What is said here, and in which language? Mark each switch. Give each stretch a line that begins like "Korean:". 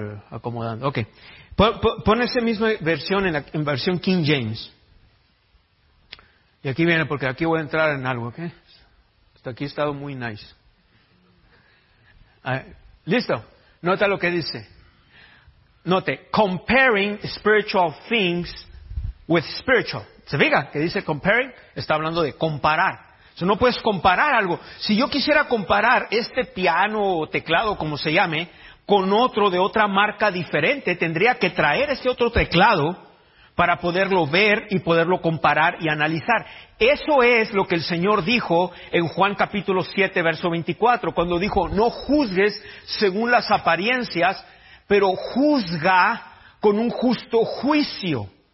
Spanish: Acomodando, ok. Pon esa misma versión en versión King James. Y aquí viene, porque aquí voy a entrar en algo, ¿ok? Hasta aquí he estado muy nice. Listo. Nota lo que dice.
English: Note, comparing spiritual things with spiritual.
Spanish: ¿Se fija? Que dice comparing, está hablando de comparar. O sea, no puedes comparar algo. Si yo quisiera comparar este piano o teclado, como se llame, con otro de otra marca diferente, tendría que traer ese otro teclado para poderlo ver y poderlo comparar y analizar. Eso es lo que el Señor dijo en Juan capítulo 7, verso 24, cuando dijo, no juzgues según las apariencias, pero juzga con un justo juicio.